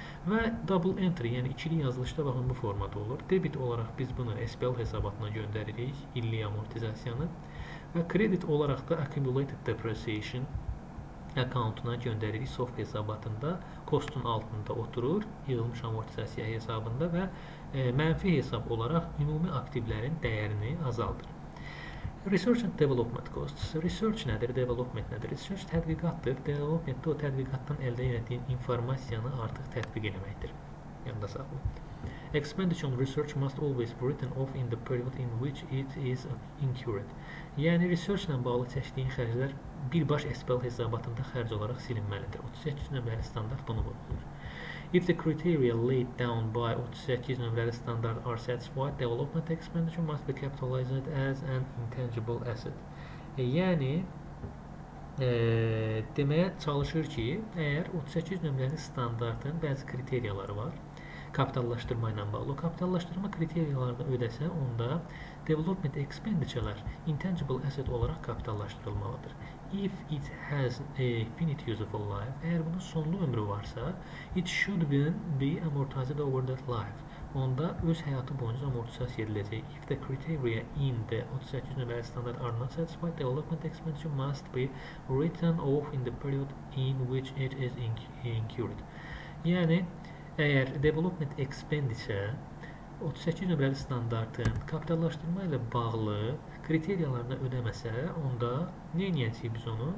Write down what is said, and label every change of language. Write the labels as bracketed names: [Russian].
[Azerbaijani] Və double entry, yəni ikili yazılışda baxın bu formada olur. Debit olaraq biz bunu SPL hesabatına göndəririk, illi amortizasiyanı və kredit olaraq da accumulated depreciation accountuna göndəririk, soft hesabatında, kostun altında oturur, yığılmış amortizasiya hesabında və mənfi hesab olaraq ümumi aktivlərin dəyərini azaldır. Research and development costs. Research nədir, development nədir? Research tədqiqatdır, development-də o tədqiqatdan əldə etdiyin informasiyanı artıq tətbiq eləməkdir. Yanda sağlam. [English] Expenditure on research must always be written off in the period in which it is incurred. [Azerbaijani] Yəni, research ilə bağlı çəkdiyin xərclər birbaş SPL hesabatında xərc olaraq silinməlidir. 38 nömrəli standart bunu vurgulayır. [English] If the criteria laid down by 38 [Azerbaijani] nömrəli standart [English] are satisfied, development expenditure must be capitalized as an intangible asset. [Azerbaijani] Yəni, deməyə çalışır ki, əgər 38 nömrəli standartın bəzi kriteriyaları var, kapitallaşdırma ilə bağlı. Kapitallaşdırma kriteriyalarını ödəsə, onda development expenditure-lər intangible asset olaraq kapitallaşdırılmalıdır. [English] If it has a finite useful life, [Azerbaijani] əgər bunun sonlu ömrü varsa, [English] it should be amortized over that life. [Azerbaijani] Onda öz həyatı boyunca amortizasiya ediləcək. [English] If the criteria in the 38 nömrəli standard are not satisfied, development expenditure must be written off in the period in which it is incurred. [Azerbaijani] Yəni, əgər development expenditure 38 nömrəli standartın kapitallaşdırma ilə bağlı kriteriyalarını ödəməsə, onda nə edəcəyik biz onu?